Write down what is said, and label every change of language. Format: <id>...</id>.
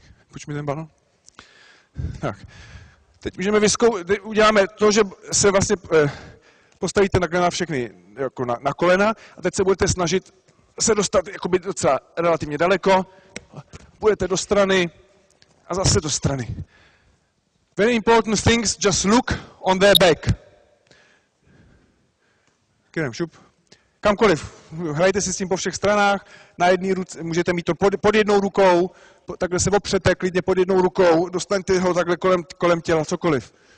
<cs>Půjč mi ten balon. Tak. Teď můžeme uděláme to, že se vlastně postavíte takhle na všechny, jako na kolena, a teď se budete snažit se dostat jakoby docela relativně daleko. Budete do strany a zase do strany.</cs> <en>Very important things, just look on their back.</en> <cs>Kerem, šup. Kamkoliv. Hrajte si s tím po všech stranách. Na jedné ruce můžete mít to pod jednou rukou. Takhle se opřete klidně pod jednou rukou. Dostaňte ho takhle kolem těla, cokoliv.</cs>